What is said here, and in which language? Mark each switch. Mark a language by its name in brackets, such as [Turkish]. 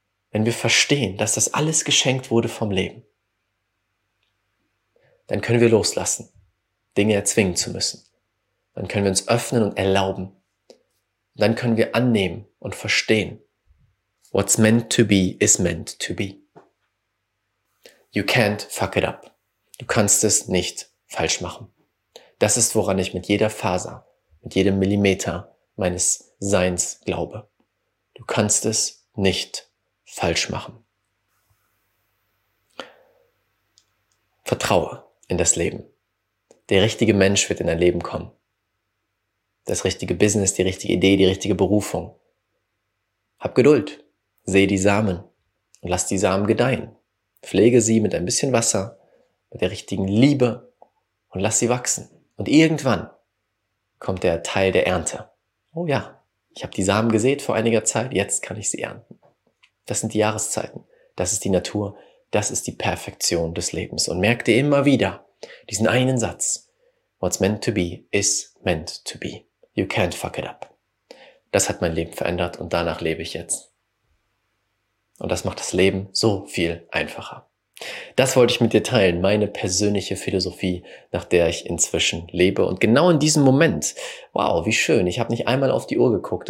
[German] Wenn wir verstehen, dass das alles geschenkt wurde vom Leben, dann können wir loslassen, Dinge erzwingen zu müssen. Dann können wir uns öffnen und erlauben. Dann können wir annehmen und verstehen. [English] What's meant to be is meant to be. You can't fuck it up. [German] Du kannst es nicht falsch machen. Das ist, woran ich mit jeder Faser, mit jedem Millimeter meines Seins glaube. Du kannst es nicht falsch machen. Vertraue in das Leben. Der richtige Mensch wird in dein Leben kommen. Das richtige Business, die richtige Idee, die richtige Berufung. Hab Geduld. Sehe die Samen. Und lass die Samen gedeihen. Pflege sie mit ein bisschen Wasser, mit der richtigen Liebe und lass sie wachsen. Und irgendwann kommt der Teil der Ernte. Oh ja, ich habe die Samen gesät vor einiger Zeit, jetzt kann ich sie ernten. Das sind die Jahreszeiten. Das ist die Natur. Das ist die Perfektion des Lebens. Und merk dir immer wieder diesen einen Satz. [English] What's meant to be is meant to be. You can't fuck it up. [German] Das hat mein Leben verändert und danach lebe ich jetzt. Und das macht das Leben so viel einfacher. Das wollte ich mit dir teilen, meine persönliche Philosophie, nach der ich inzwischen lebe. Und genau in diesem Moment, wow, wie schön, ich habe nicht einmal auf die Uhr geguckt.